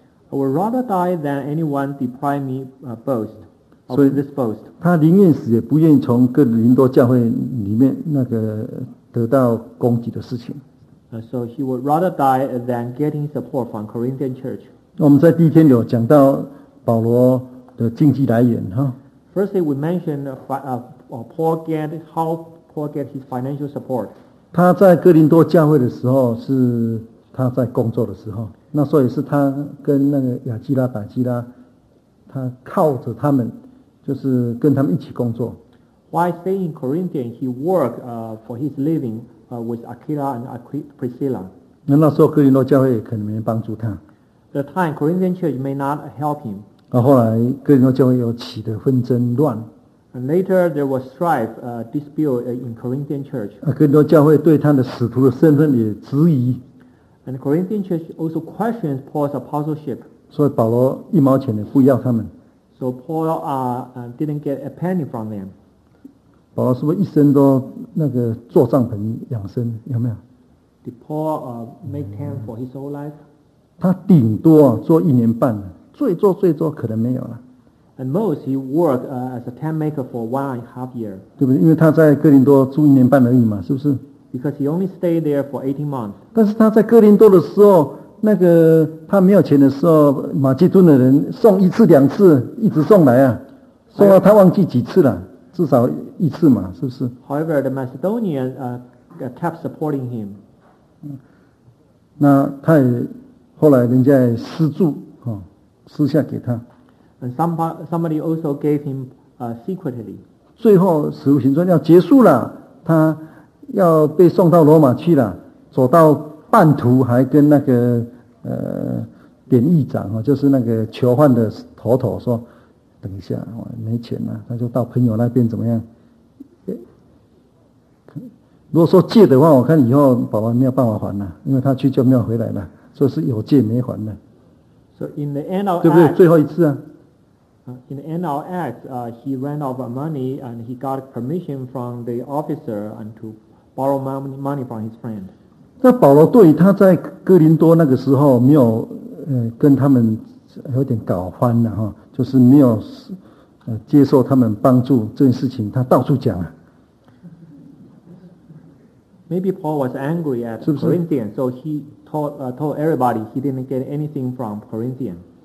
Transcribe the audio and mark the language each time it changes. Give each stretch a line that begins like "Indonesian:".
English: I would rather die than anyone deprive me boast of this boast.
Chinese: 他宁愿死也不愿意从哥林多教会里面那个得到攻击的事情。
English: So he would rather die than getting support from Corinthian church.
Chinese: 我们在第一天有讲到保罗的经济来源哈。
English: Firstly, we mentioned how Paul get his financial support.
Chinese: 他在哥林多教会的时候是他在工作的时候。那所以是他跟那个亚基拉、巴基拉，他靠着他们，就是跟他们一起工作。
English: Why stay in Corinthian? He worked for his living with Aquila and Priscilla.
Chinese: 那时候哥林多教会可能没帮助他。
English: The time Corinthian church may not help him.
Chinese: 后来哥林多教会有起的纷争乱。
English: And later there was strife, dispute in Corinthian church.
Chinese: 哥林多教会对他的使徒的身份也质疑。
English: And the Corinthian church also questions Paul's apostleship.
Chinese: 所以保罗一毛钱也不要他们。
English: So Paul didn't get a penny from them.
Chinese: 保罗是不是一生都那个做帐篷养生？有没有？
English: Did Paul make camp for his whole life?
Chinese: 他顶多做一年半，最多可能没有了。
English: And most he worked as a tent maker for 1.5 years.
Chinese: 对不对？因为他在哥林多住一年半而已嘛，是不是？
English: Because he only stayed there for 18 months.
Chinese: 但是他在哥林多的时候，那个他没有钱的时候，马其顿的人送一次两次，一直送来啊，送到他忘记几次了，至少一次嘛，是不是
English: ？However, the Macedonian kept supporting him.
Chinese: 那他也后来人家也私铸啊，私下给他。
English: And somebody also gave him secretly.
Chinese: 最后《使徒行传》要结束了，他。要被送到罗马去了，走到半途还跟那个典狱长就是那个囚犯的头头说：“等一下，我没钱了。” 他就到朋友那边怎么样？如果说借的话，我看以后保罗没有办法还了，因为他去就没有回来了，所以是有借没还的。
English: So in the end of
Chinese: 对不对？最后一次啊。
English: In the end of Acts, he ran out of money and he got permission from the officer and to. Borrow money from his friend.
Chinese: 那保罗对于他在哥林多那个时候没有跟他们有点搞翻了哈，就是没有接受他们帮助这件事情，他到处讲啊。
English: Maybe Paul was angry at Corinthians, so he told everybody he didn't get anything from Corinthians.